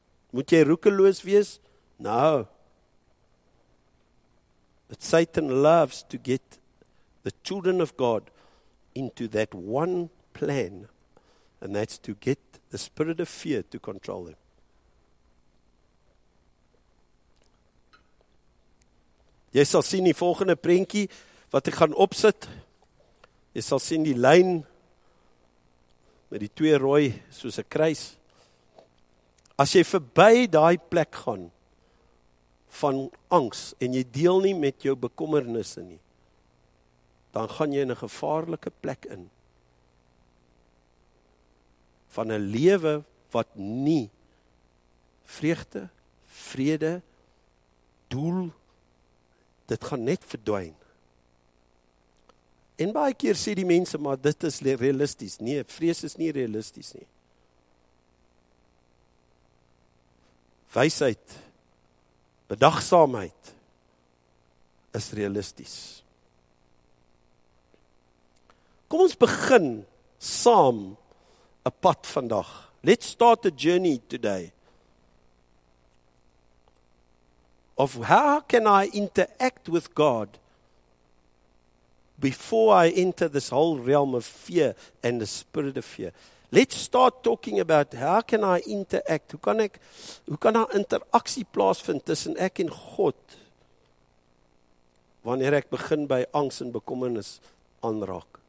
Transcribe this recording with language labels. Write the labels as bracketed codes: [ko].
[af] Moet jy roekeloos wees? [en] No. But Satan loves to get the children of God into that one plan, and that's to get the spirit of fear to control them. [af] Jy sal sien die volgende prentjie wat ek gaan opsit. Jy sal sien die lyn met die twee rooi soos 'n kruis. As jy verby daai plek gaan van angs en jy deel nie met jou bekommernisse nie, dan gaan jy in 'n gevaarlike plek in van 'n lewe wat nie vreugde, vrede, doel, dit gaan net verdwyn. En baie keer sê die mense, maar dit is realisties. Nee, vrees is nie realisties nie. Wysheid, bedagsaamheid is realisties. Kom ons begin saam 'n pad vandag. [en] Let's start a journey today. Of how can I interact with God before I enter this whole realm of fear and the spirit of fear? Let's start talking about how can I interact? [af] Hoe kan daar interaksie plaasvind tussen ek en God wanneer ek begin by angs en bekommernis aanraak?